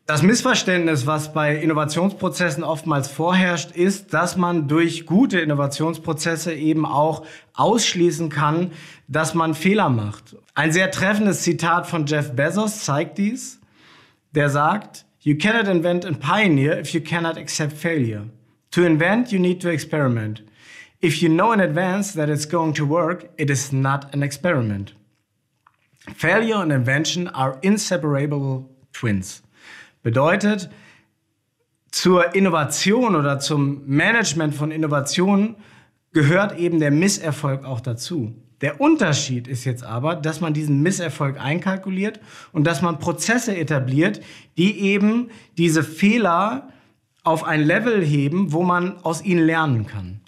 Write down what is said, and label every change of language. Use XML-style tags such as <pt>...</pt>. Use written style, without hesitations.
<de>Das Missverständnis, was bei Innovationsprozessen oftmals vorherrscht, ist, dass man durch gute Innovationsprozesse eben auch ausschließen kann, dass man Fehler macht. Ein sehr treffendes Zitat von Jeff Bezos zeigt dies. Der sagt,</de> <en>you cannot invent and pioneer if you cannot accept failure. To invent, you need to experiment. If you know in advance that it's going to work, it is not an experiment. Failure and invention are inseparable twins.</en> <de>Bedeutet, zur Innovation oder zum Management von Innovationen gehört eben der Misserfolg auch dazu. Der Unterschied ist jetzt aber, dass man diesen Misserfolg einkalkuliert und dass man Prozesse etabliert, die eben diese Fehler auf ein Level heben, wo man aus ihnen lernen kann.</de>